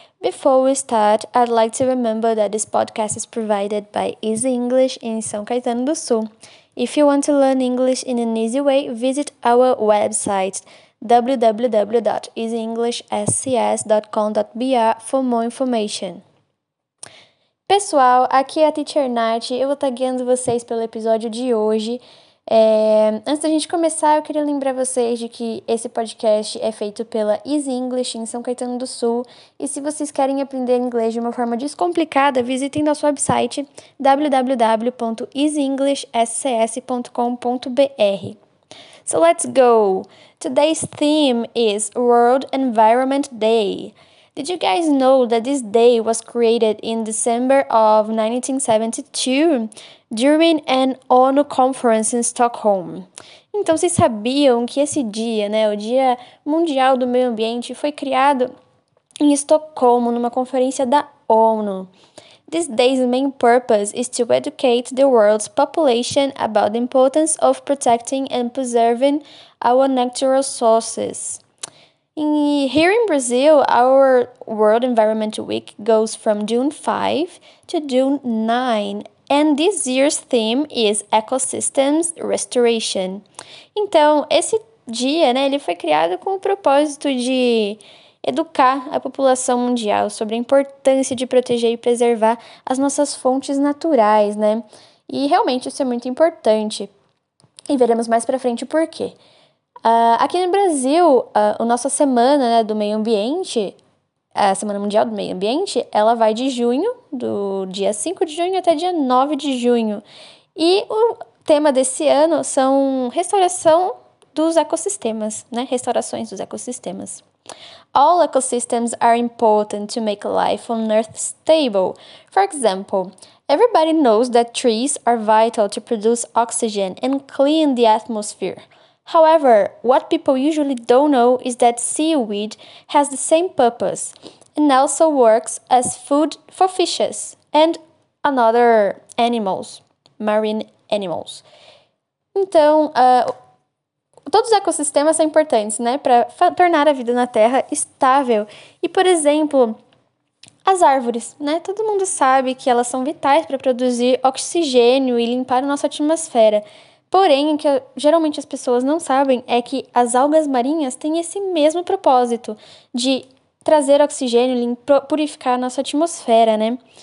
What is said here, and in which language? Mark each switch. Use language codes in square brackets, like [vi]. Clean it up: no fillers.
[en] Before we start, I'd like to remember that this podcast is provided by Easy English in São Caetano do Sul. If you want to learn English in an easy way, visit our website www.easyenglishscs.com.br for more information. [pt] Pessoal, aqui é a Teacher Nachi. Eu vou estar guiando vocês pelo episódio de hoje. Antes da gente começar, eu queria lembrar vocês de que esse podcast é feito pela Easy English em São Caetano do Sul. E se vocês querem aprender inglês de uma forma descomplicada, visitem nosso website www.easyenglishscs.com.br. [en] So let's go! Today's theme is World Environment Day. Did you guys know that this day was created in December of 1972 during an ONU conference in Stockholm? [pt] Então, vocês sabiam que esse dia, né, o Dia Mundial do Meio Ambiente, foi criado em Estocolmo, numa conferência da ONU. [en] This day's main purpose is to educate the world's population about the importance of protecting and preserving our natural sources. Here in Brazil, our World Environment Week goes from June 5 to June 9, and this year's theme is Ecosystems Restoration. [pt] Então, esse dia, né, ele foi criado com o propósito de educar a população mundial sobre a importância de proteger e preservar as nossas fontes naturais, né? E realmente isso é muito importante. E veremos mais pra frente o porquê. Aqui no Brasil, a nossa semana, né, do meio ambiente, a Semana Mundial do Meio Ambiente, ela vai de junho, do dia 5 de junho até dia 9 de junho. E o tema desse ano são restauração dos ecossistemas, né, restaurações dos ecossistemas. [en] All ecosystems are important to make life on Earth stable. For example, everybody knows that trees are vital to produce oxygen and clean the atmosphere. However, what people usually don't know is that seaweed has the same purpose and also works as food for fishes and other animals, marine animals. [pt] Então, todos os ecossistemas são importantes, né, para tornar a vida na Terra estável. E, por exemplo, as árvores, né? Todo mundo sabe que elas são vitais para produzir oxigênio e limpar a nossa atmosfera. Porém, o que geralmente as pessoas não sabem é que as algas marinhas têm esse mesmo propósito de trazer oxigênio e purificar a nossa atmosfera, né?